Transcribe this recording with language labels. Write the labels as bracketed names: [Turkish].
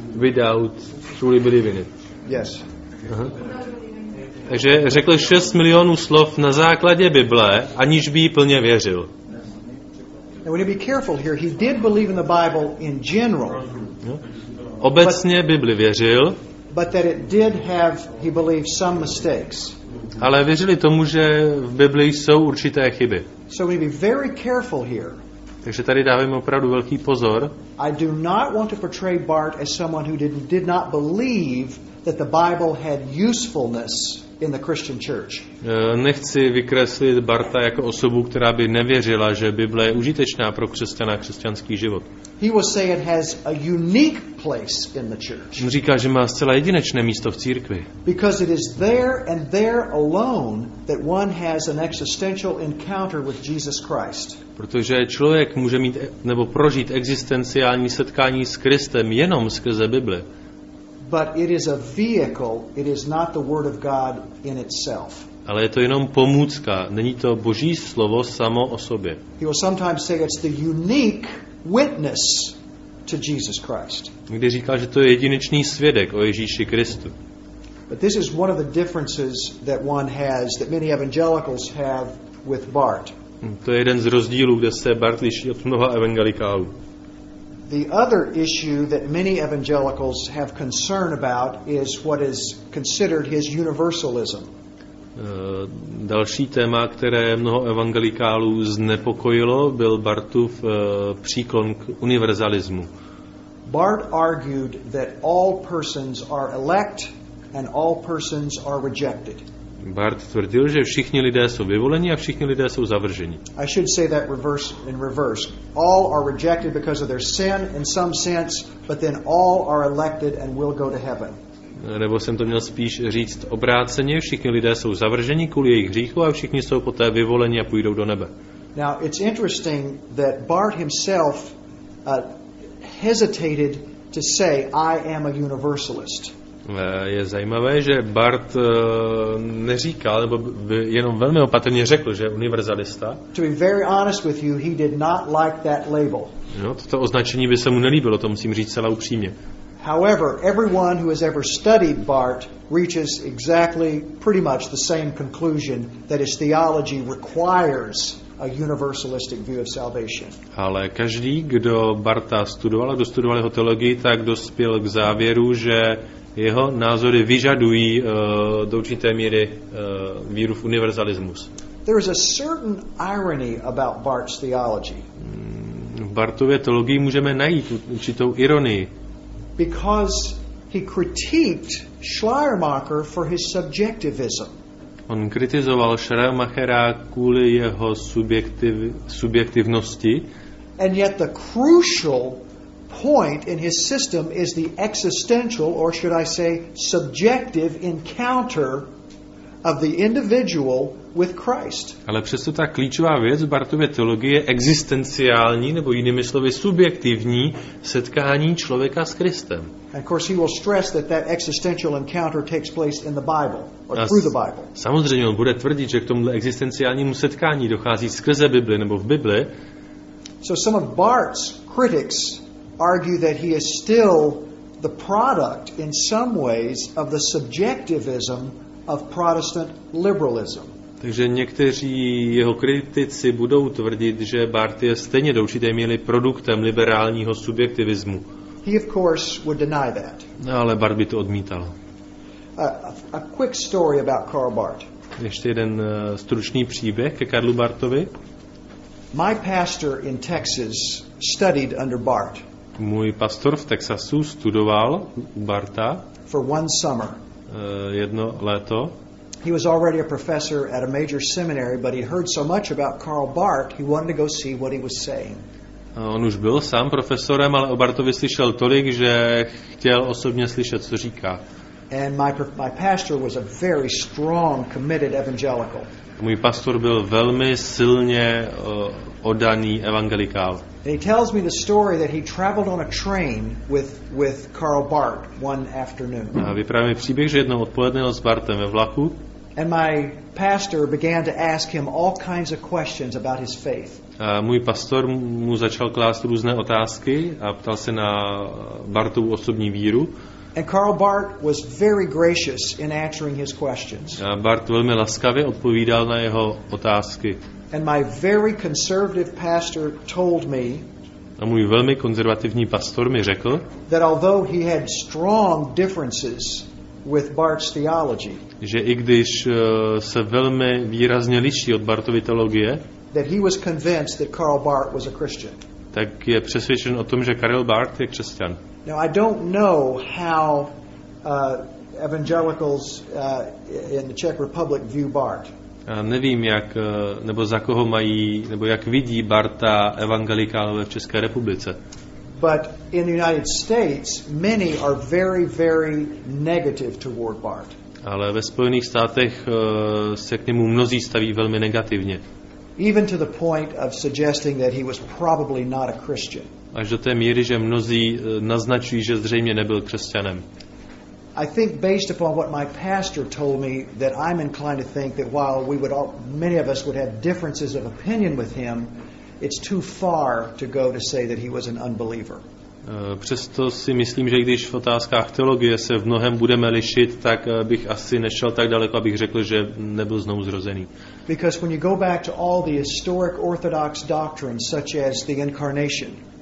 [English] Without truly believing it? Yes. [Czech] Takže řekl 6 milionů slov na základě Bible, aniž by jí plně věřil. [English] Now we need to be careful here. He did believe in the Bible in general. [Czech] Obecně Bibli věřil. [English] But that it did have, he believed, some mistakes. [Czech] Ale věřili tomu, že v Biblii jsou určité chyby. [English] So we need to be very careful here. [Czech] Takže tady dávám opravdu velký pozor. [English] I do not want to portray Bart as someone who did not believe that the Bible had usefulness in the Christian church. [Czech] Nechci vykreslit Barta jako osobu, která by nevěřila, že Bible je užitečná pro křesťana a křesťanský život. [English] He will say it has a unique place in the church. [Czech] On říká, že má zcela jedinečné místo v církvi. [English] Because it is there and there alone that one has an existential encounter with Jesus Christ. [Czech] Protože člověk může mít nebo prožít existenciální setkání s Kristem jenom skrze Bibli. [English] But it is a vehicle, it is not the word of God in itself. [Czech] Ale je to jenom pomůcka, není to Boží slovo samo o sobě. [English] He will sometimes say it's the unique witness to Jesus Christ. [Czech] Někdy říká, že to je jedinečný svědek o Ježíši Kristu. [English] But this is one of the differences that one has, that many evangelicals have with Bart. [Czech] To je jeden z rozdílů, kde se Bart liší od mnoha evangelikálů. [English] The other issue that many evangelicals have concern about is what is considered his universalism. [Czech] Další téma, které mnoho evangelikálů znepokojilo, byl Bartův příklon k univerzalismu. [English] Bart argued that all persons are elect and all persons are rejected. [Czech] Bart tvrdil, že všichni lidé jsou vyvoleni a všichni lidé jsou zavrženi. [English] I should say that reverse in reverse. All are rejected because of their sin in some sense, but then all are elected and will go to heaven. [Czech] Nebo jsem to měl spíš říct obráceně, všichni lidé jsou zavrženi kvůli jejich hříchu a všichni jsou poté vyvoleni a půjdou do nebe. [English] Now it's interesting that Bart himself hesitated to say I am a universalist. [Czech] Je zajímavé, že Bart neříkal, nebo by jenom velmi opatrně řekl, že je univerzalista. [English] To be very honest with you, he did not like that label. [Czech] No, toto označení by se mu nelíbilo, to musím říct celá upřímně. [English] However, everyone who has ever studied Bart reaches exactly pretty much the same conclusion that his theology requires a universalistic view of salvation. [Czech] Ale každý, kdo Barta studoval, kdo studoval jeho teologii, tak dospěl k závěru, že jeho názory vyžadují do určité míry víru v univerzalismus. [English] There is a certain irony about Bart's theology. [Czech] V Bartově teologii můžeme najít určitou ironii. [English] Because he critiqued Schleiermacher for his subjectivism. [Czech] On kritizoval Schleiermachera kvůli jeho subjektivnosti. [English] And yet the crucial point in his system is the existential, or should I say, subjective encounter of the individual with Christ. [Czech] Ale přesto ta klíčová věc v Bartově teologii je existenciální, nebo jinými slovy subjektivní setkání člověka s Kristem. [English] And of course he will stress that that existential encounter takes place in the Bible or through the Bible. [Czech] Samozřejmě on bude tvrdit, že k tomuto existenciálnímu setkání dochází skrze Bibli nebo v Bibli. [English] So some of Bart's critics argue that he is still the product in some ways of the subjectivism of Protestant liberalism. [Czech] Takže někteří jeho kritici budou tvrdit, že Barth je stejně do určité míry produktem liberálního subjektivismu. [English] He of course would deny that. [Czech] No, ale Barth by to odmítal. [English] A quick story about Karl Barth. [Czech] Ještě jeden stručný příběh ke Karlu Barthovi. [English] My pastor in Texas studied under Barth. [Czech] Můj pastor v Texasu studoval u Bartha. [English] For one summer. [Czech] Jedno léto. [English] He was already a professor at a major seminary, but he heard so much about Karl Barth, he wanted to go see what he was saying. [Czech] On už byl sám profesorem, ale o Barthovi slyšel tolik, že chtěl osobně slyšet, co říká. [English] And my pastor was a very strong, committed evangelical. [Czech] Můj pastor byl velmi silně oddaný evangelikál. [English] And he tells me the story that he traveled on a train with Karl Barth one afternoon. [Czech] A vypráví mi příběh, že jednou odpoledne jel s Barthem ve vlaku. [English] And my pastor began to ask him all kinds of questions about his faith. [Czech] A můj pastor mu začal klást různé otázky a ptal se na Barthovu osobní víru. [English] And Karl Barth was very gracious in answering his questions. [Czech] A Barth velmi laskavě odpovídal na jeho otázky. [English] And my very conservative pastor told me, [Czech] a můj velmi konzervativní pastor mi řekl, [English] that although he had strong differences with Barth's theology, [Czech] že i když se velmi výrazně liší od Barthovy teologie, [English] that he was convinced that Karl Barth was a Christian. [Czech] Tak je přesvědčen o tom, že Karel Barth je křesťan. [English] Now I don't know how evangelicals in the Czech Republic view Barth. [Czech] A nevím, jak nebo za koho mají nebo jak vidí Bartha evangelikálové v České republice. [English] But in the United States many are very very negative toward Barth. [Czech] Ale ve Spojených státech se k němu mnozí staví velmi negativně. [English] Even to the point of suggesting that he was probably not a Christian. [Czech] Až do té míry, že mnozí naznačují, že zřejmě nebyl křesťanem. [English] I think based upon what my pastor told me that I'm inclined to think that while we would all, many of us would have differences of opinion with him, it's too far to go to say that he was an unbeliever. [Czech] Přesto si myslím, že když v otázkách teologie se v mnohem budeme lišit, tak bych asi nešel tak daleko, abych řekl, že nebyl znovu zrozený. [English] Because when you go back to all the historic orthodox doctrines such as the incarnation,